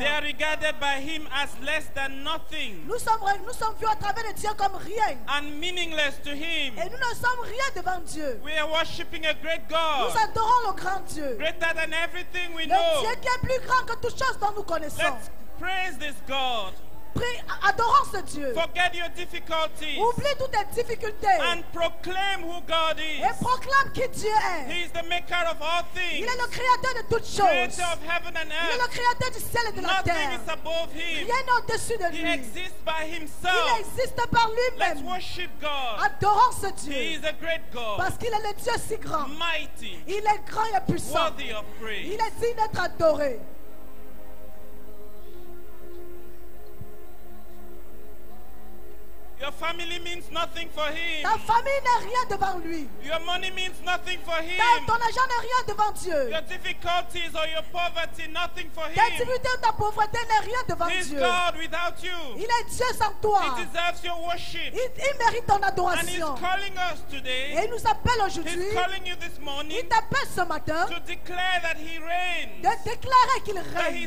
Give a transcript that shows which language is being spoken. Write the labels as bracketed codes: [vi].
[en] They are regarded by him as less than nothing. [fr] Nous sommes vus à travers les cieux comme rien. [en] And meaningless to him. [fr] Et nous ne sommes rien devant Dieu. [en] We are worshiping a great God. [fr] Nous adorons le grand Dieu. [en] Greater than everything we [fr] le [en] know. [fr] Dieu qui est plus grand que toute chose dont nous connaissons. [en] Let's praise this God. [fr] Adorons ce Dieu. [en] Forget your difficulties. [fr] Oublie toutes tes difficultés. [en] And proclaim who God is. [fr] Et proclame qui Dieu est. [en] He is the maker of all things. [fr] Il est le créateur de toutes choses. [en] Creator of heaven and earth. [fr] Il est le créateur du ciel et de [en] nothing [fr] la terre. [en] Nothing is above him. [fr] Rien au-dessus de lui. [en] He exists by himself. [fr] Il existe par lui-même. [en] Let's worship God. [fr] Adorons ce Dieu. [en] He is a great God. [fr] Parce qu'il est le Dieu si grand. [en] Mighty. [fr] Il est grand et puissant. [en] Worthy of praise. [fr] Il est digne d'être adoré. [en] Your family means nothing for him. [fr] Ta famille n'est rien devant lui. [en] Your money means nothing for him. [fr] Ton argent n'est rien devant Dieu. [en] Your difficulties or your poverty, nothing for him. [fr] Tes difficultés ou ta pauvreté n'est rien devant [en] He's [fr] Dieu. [en] God without you. [fr] Il est Dieu sans toi. [en] He deserves your worship. [fr] Il mérite ton adoration. [en] And he's calling us today. [fr] Et il nous appelle aujourd'hui. [en] He's calling you this morning. [fr] Il t'appelle ce matin. [en] To declare that he reigns. [fr] De déclarer qu'il règne.